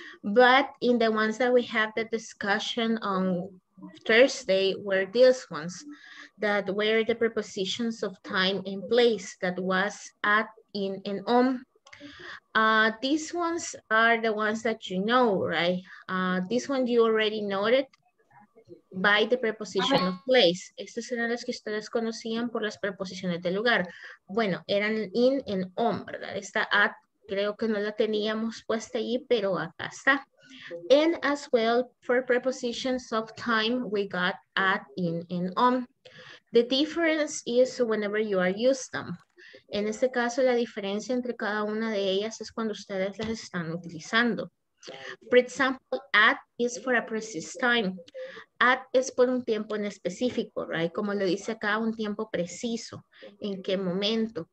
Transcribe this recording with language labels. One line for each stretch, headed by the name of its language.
English: But in the ones that we have the discussion on Thursday were these ones that were the prepositions of time and place, that was at, in, and on. These ones are the ones that you know, right? This one you already noted by the preposition of place.
Spanish: Estas eran las que ustedes conocían por las preposiciones de lugar. Bueno, eran in and on, ¿verdad? Esta at creo que no la teníamos puesta allí, pero acá está.
English: And as well, for prepositions of time, we got at, in, and on. The difference is whenever you are using them.
Spanish: En este caso, la diferencia entre cada una de ellas es cuando ustedes las están utilizando.
English: For example, at is for a precise time.
Spanish: At es por un tiempo en específico,
English: right?
Spanish: Como lo dice acá, un tiempo preciso. ¿En qué momento?